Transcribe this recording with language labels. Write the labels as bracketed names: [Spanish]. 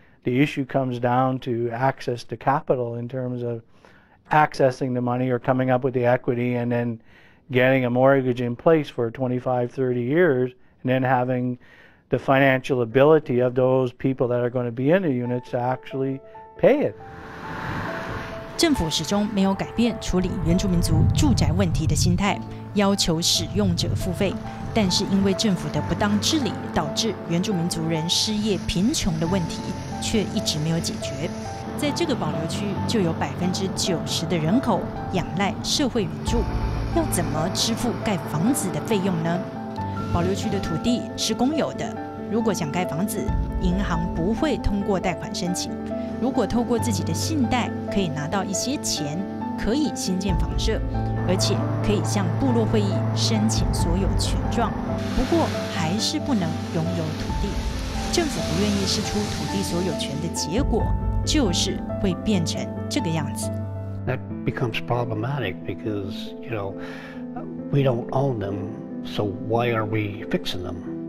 [English] The issue comes down to access to capital in terms of accessing the money or coming up with the equity and then getting a mortgage in place for 25, 30 years and then having the financial ability of those people that are going to be in the units to actually pay it. [Chinese] 政府始终没有改变处理原住民族住宅问题的心态，要求使用者付费，但是因为政府的不当治理导致原住民族人失业贫穷的问题却一直没有解决。在这个保留区就有90%的人口仰赖社会援助，要怎么支付盖房子的费用呢？保留区的土地是公有的，如果想盖房子，银行不会通过贷款申请，如果透过自己的信贷可以拿到一些钱，可以新建房舍，而且可以向部落会议申请所有权状，不过还是不能拥有土地。政府不愿意释出土地所有权的结果就是会变成这个样子。 [English] That becomes problematic because, you know, we don't own them, so why are we fixing them?